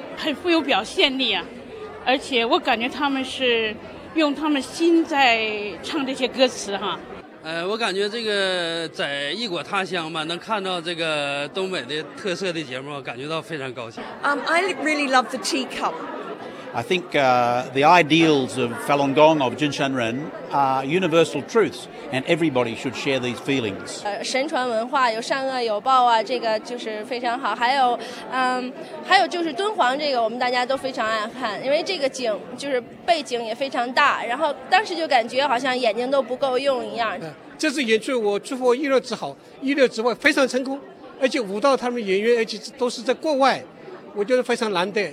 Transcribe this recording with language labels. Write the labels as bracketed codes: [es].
[zh] 很富有表现力啊，而且我感觉他们是用他们心在唱这些歌词哈。我感觉这个在异国他乡嘛，能看到这个东北的特色的节目，感觉到非常高兴。 [en] I really love the teacup. I think the ideals of Falun Gong of Jin Shan Ren are universal truths, and everybody should share these feelings. [zh] 神传文化有善恶有报啊，这个就是非常好。还有，还有就是敦煌这个，我们大家都非常爱看，因为这个景就是背景也非常大，然后当时就感觉好像眼睛都不够用一样。这次演出我出乎意料之好，意料之外，非常成功，而且舞蹈他们演员，而且都是在国外，我觉得非常难得。